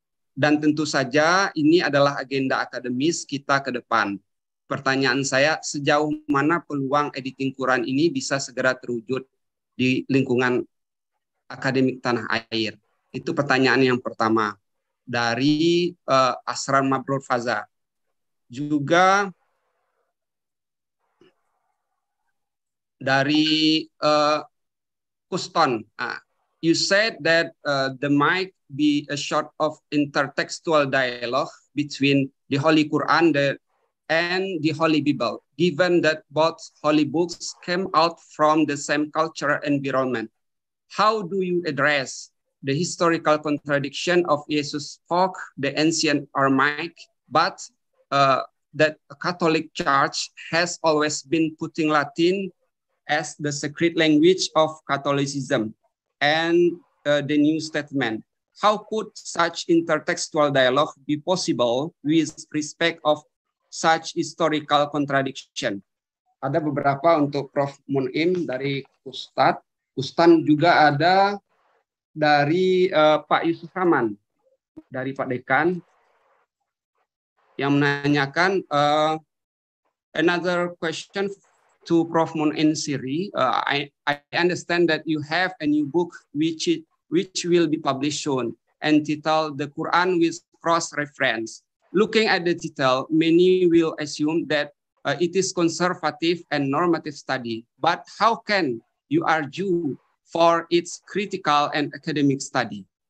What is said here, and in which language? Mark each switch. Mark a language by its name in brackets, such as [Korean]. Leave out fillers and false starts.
[Indonesian] Dan tentu saja ini adalah agenda akademis kita ke depan. Pertanyaan saya, sejauh mana peluang editing Quran ini bisa segera terwujud di lingkungan akademik tanah air? Itu pertanyaan yang pertama dari Asrar Mabrur Faza. Juga dari Kuston, [English] you said that the mic be a sort of intertextual dialogue between the Holy Quran and the Holy Bible, given that both holy books came out from the same cultural environment. How do you address the historical contradiction of Jesus spoke the ancient Aramaic, but that a Catholic Church has always been putting Latin as the sacred language of Catholicism and the New Statement? How could such intertextual dialogue be possible with respect of such historical contradiction? [Indonesian] Ada beberapa untuk Prof. Munim dari Ustad. Ustan juga ada dari Pak Yusuf Rahman, dari Pak Dekan, yang menanyakan [English] another question to Prof. Munim Siri. I understand that you have a new book which will be published soon, entitled The Quran with Cross-Reference. Looking at the title, many will assume that it is conservative and normative study, but how can you argue for its critical and academic study?